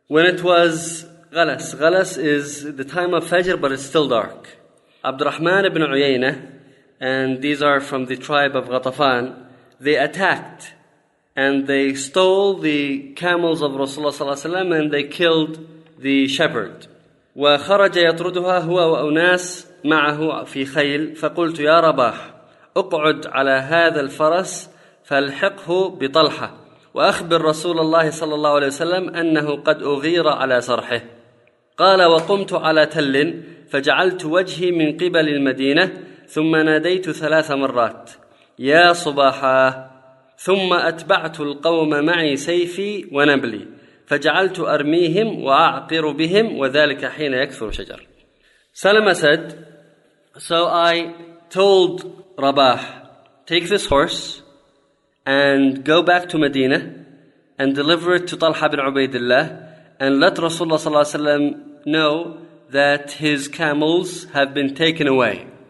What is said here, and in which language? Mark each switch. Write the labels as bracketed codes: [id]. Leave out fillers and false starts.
[en] When it was غَلَس, غَلَس is the time of Fajr, but it's still dark. عبد الرحمن بن عيينة, and these are from the tribe of Ghatafan, they attacked and they stole the camels of Rasulullah ﷺ and they killed the shepherd. [ar] وَخَرَجَ يَطْرُدُهَا هُوَ وَأُنَاسْ مَعَهُ فِي خَيْلٍ فَقُلْتُ يَا رَبَاحُ اُقْعُدْ عَلَى هَذَا الْفَرَسِ فَالْحِقْهُ بِطَلْحَةِ وَأَخْبِرْ رَسُولَ اللَّهِ صَلَى اللَّهُ عَلَيْهِ وَسَلَّمْ أَنَّهُ قَدْ أُغِيرَ عَلَى سَرْحِهِ قَالَ وَقُمْتُ عَلَى تَلٍّ فَجَعَلْتُ وَجْهِي مِنْ قِبَلِ الْمَدِينَةِ ثُمَّ نَادَيْتُ ثَلَاثَ مَرَّاتِ يَا صُبَاحَا ثم أتبعت القوم معي سيفي ونبلي فجعلت أرميهم وأعقر بهم وذلك حين يكثر شجر. [en] Salama said, so I told Rabah, take this horse and go back to Medina and deliver it to Talha bin Ubaidillah and let Rasulullah sallallahu alayhi wa sallam know that his camels have been taken away.